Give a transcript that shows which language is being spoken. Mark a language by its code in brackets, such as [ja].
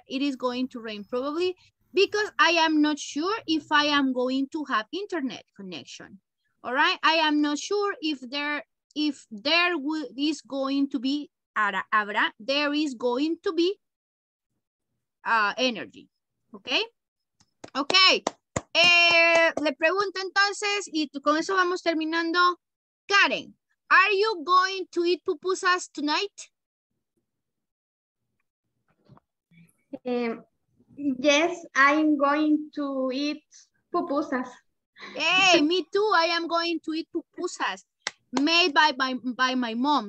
[en] It is going to rain probably because I am not sure if I am going to have internet connection. All right? I am not sure if there is going to be energy. Okay? Okay. [es] Le pregunto entonces, y con eso vamos terminando. [en] Karen, are you going to eat pupusas tonight? Yes, I'm going to eat pupusas. Hey, me too. I am going to eat pupusas. Made by my mom.